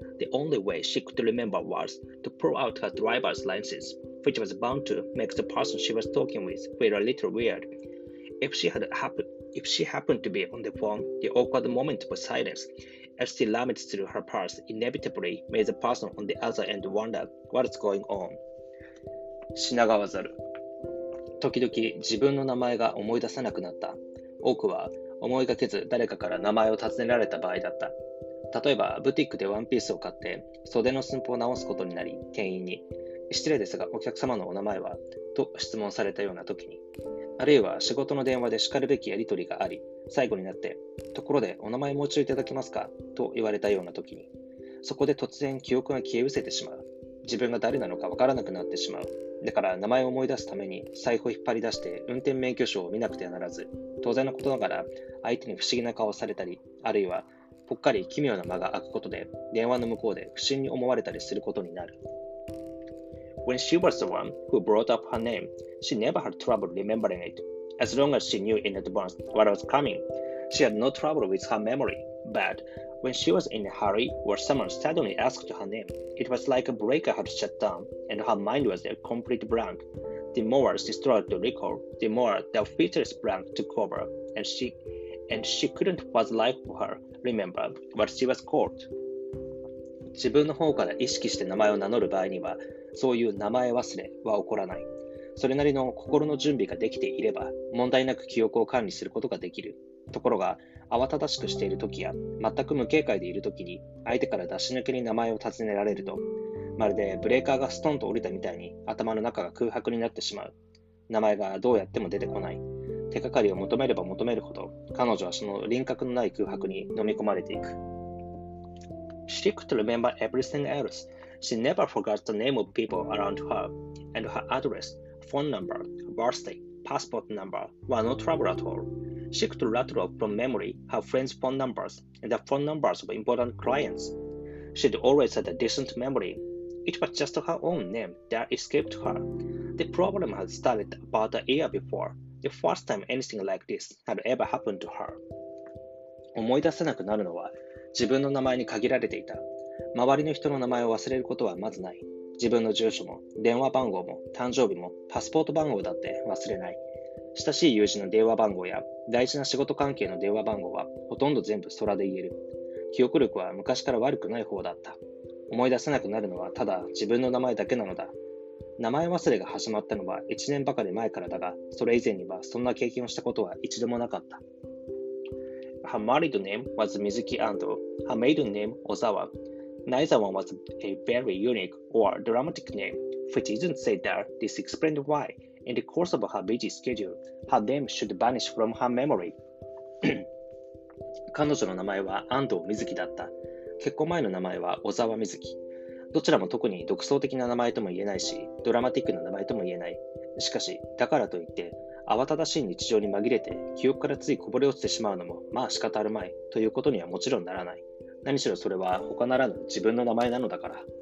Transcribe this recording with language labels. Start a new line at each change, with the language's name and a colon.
English: The only way she could remember was to pull out her driver's license, which was bound to make the person she was talking with feel a little weird. If she happened to be on the phone, the awkward moment of silence as she rummaged through her purse inevitably made the person on the other end wonder what's going on.
Japanese: 品川猿。時々自分の名前が思い出さなくなった。多くは思いがけず誰かから名前を尋ねられた場合だった。例えばブティックでワンピースを買って袖の寸法を直すことになり、店員に、失礼ですがお客様のお名前は、と質問されたような時に、あるいは仕事の電話で叱るべきやり取りがあり、最後になって、ところでお名前もう一度いただけますか、と言われたような時に、そこで突然記憶が消え失せてしまう。自分が誰なのかわからなくなってしまう。だから名前を思い出すために財布を引っ張り出して運転免許証を見なくてはならず、当然のことながら相手に不思議な顔をされたり、あるいはぽっかり奇妙な間が空くことで電話の向こうで不審に思われたりすることになる。
English: When she was the one who brought up her name, she never had trouble remembering it. As long as she knew in advance what was coming, she had no trouble with her memory. But when she was in a hurry or someone suddenly asked her name, it was like a breaker had shut down and her mind was a complete blank. The more she struggled to recall, the more the features blank took over, and she couldn't for the life of her remember what she was called.
Japanese: 自分の方から意識して名前を名乗る場合には、そういう名前忘れは起こらない。それなりの心の準備ができていれば、問題なく記憶を管理することができる。ところが、慌ただしくしているときや、全く無警戒でいるときに、相手から出し抜けに名前を尋ねられると、まるでブレーカーがストンと降りたみたいに頭の中が空白になってしまう。名前がどうやっても出てこない。手がかりを求めれば求めるほど、彼女はその輪郭のない空白に飲み込まれていく。
English: She could remember everything else. She never forgot the name of people around her, and her address, phone number, birthday, passport number were no trouble at all. She could rattle off from memory her friends' phone numbers and the phone numbers of important clients. She'd always had a decent memory. It was just her own name that escaped her. The problem had started about a year before, the first time anything like this had ever happened to her.
Japanese: 思い出せなくなるのは自分の名前に限られていた。周りの人の名前を忘れることはまずない。自分の住所も、電話番号も、誕生日も、パスポート番号だって忘れない。親しい友人の電話番号や、大事な仕事関係の電話番号は、ほとんど全部空で言える。記憶力は昔から悪くない方だった。思い出せなくなるのは、ただ自分の名前だけなのだ。名前忘れが始まったのは1年ばかり前からだが、それ以前にはそんな経験をしたことは一度もなかった。
English: Her married name was Mizuki Ando. Her maiden name, Ozawa. Neither one was a very unique or dramatic name, which isn't said there. This explained why, in the course of her busy schedule, her name should vanish from her memory.
Japanese: 彼女の名前は安藤瑞希だった。結婚前の名前は小沢瑞希。どちらも特に独創的な名前とも言えないし、ドラマティックな名前とも言えない。しかし、だからといって、慌ただしい日常に紛れて記憶からついこぼれ落ちてしまうのもまあ仕方あるまいということにはもちろんならない。何しろそれは他ならぬ自分の名前なのだから。